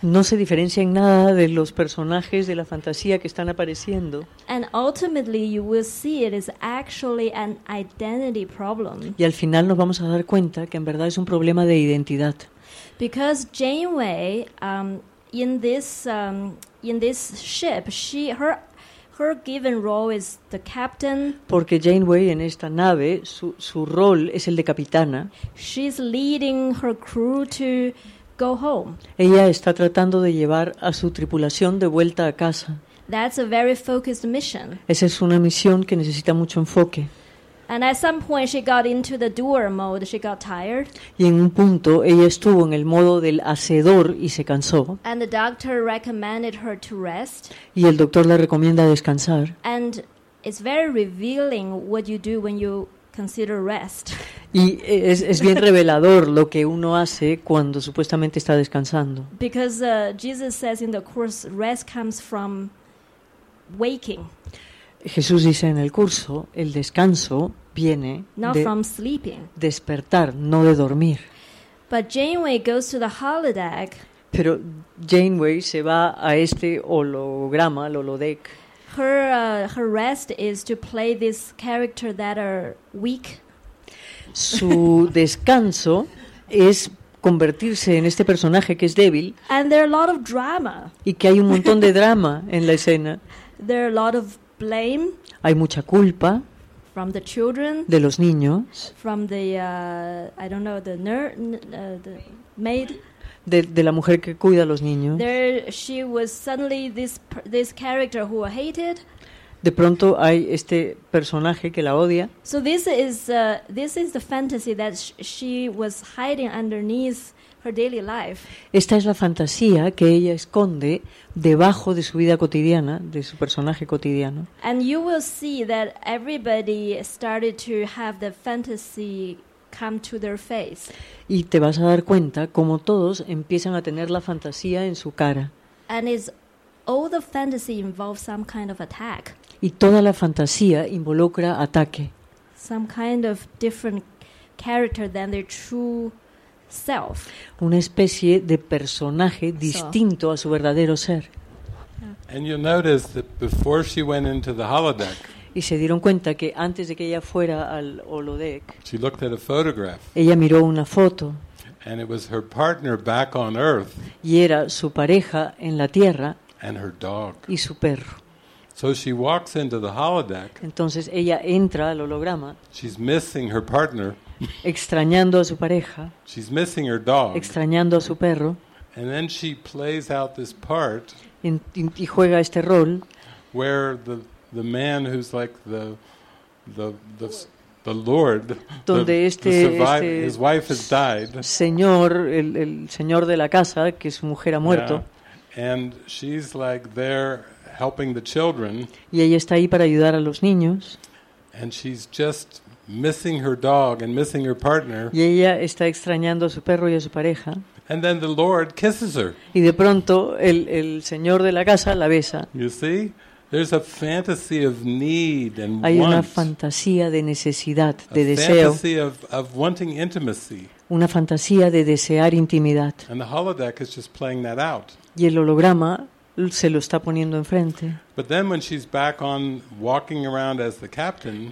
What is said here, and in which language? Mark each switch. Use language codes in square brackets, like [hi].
[es] No se diferencia en nada de los personajes de la fantasía que están apareciendo. [en] And ultimately you will see it is actually an identity problem. [es] Y al final nos vamos a dar cuenta que en verdad es un problema de identidad. [en] Because Janeway in this ship, her given role is the captain. [es] Porque Janeway en esta nave su rol es el de capitana. [en] She's leading her crew to go home. [es] Ella está tratando de llevar a su tripulación de vuelta a casa. [en] That's a very focused mission. [es] Esa es una misión que necesita mucho enfoque. [en] And at some point she got into the doer mode, she got tired. [es] Y en un punto ella estuvo en el modo del hacedor y se cansó. [en] And the doctor recommended her to rest. [es] Y el doctor le recomienda descansar. [en] And it's very revealing what you do when you consider rest. [es] Y es bien revelador lo que uno hace cuando supuestamente está descansando. [en] Because Jesus says in the course rest comes from waking. [es] Jesús dice en el curso, el descanso viene de despertar, no de dormir. [en] But Janeway goes to the holodeck. [es] Pero Janeway se va a este holograma, el holodeck. [en] Her rest is to play this character that are weak. [es] Su descanso es convertirse en este personaje que es débil. [en] And there are a lot of drama. [es] Y que hay un montón de drama en la escena. [en] There are a lot of blame. [es] Hay mucha culpa. [en] From the children. [es] De los niños. [en] From the I don't know, the the maid. [es] De la mujer que cuida a los niños. [en] There she was suddenly this character who hated. [es] De pronto hay este personaje que la odia. [en] So this is the fantasy that she was hiding underneath her daily life. [es] Esta es la fantasía que ella esconde debajo de su vida cotidiana, de su personaje cotidiano. [en] And you will see that everybody started to have the fantasy come to their face. [es] Y te vas a dar cuenta como todos empiezan a tener la fantasía en su cara. [en] And is all the fantasy involves some kind of attack. [es] Y toda la fantasía involucra ataque. [en] Some kind of different character than their true self. [es] Una especie de personaje distinto a su verdadero ser. [en] And you notice that before she went into the holodeck. [es] Y se dieron cuenta que antes de que ella fuera al holodeck. [en] She looked at a photograph. [es] Ella miró una foto. [en] And it was her partner back on earth. [es] Y era su pareja en la tierra. [en] And her dog. [es] Y su perro. [en] So she walks into the holodeck. [es] Entonces ella entra al holograma. [en] She's missing her partner. [es] Extrañando a su pareja. [en] She's missing her dog. [es] Extrañando a su perro. [en] And then she plays out this part. [es] Y juega este rol. [en] Where the man who's like the Lord. [es] Donde [en] his wife has died. [es] Señor, el señor de la casa, que su mujer ha muerto. [en] Yeah. And she's like there. Helping the children. [es] Y ella está ahí para ayudar a los niños. [en] And she's just missing her dog and missing her partner. [es] Y ella está extrañando a su perro y a su pareja. [en] And then the Lord kisses her. [es] Y de pronto el señor de la casa la besa. [en] You see? There's a fantasy of need and want. [es] Hay una fantasía de necesidad, de deseo. [en] A fantasy of wanting intimacy. [es] Una fantasía de desear intimidad. [en] And the holodeck is just playing that out. [es] Y el holograma se lo está poniendo enfrente. [en] But then when she's back on walking around as the captain,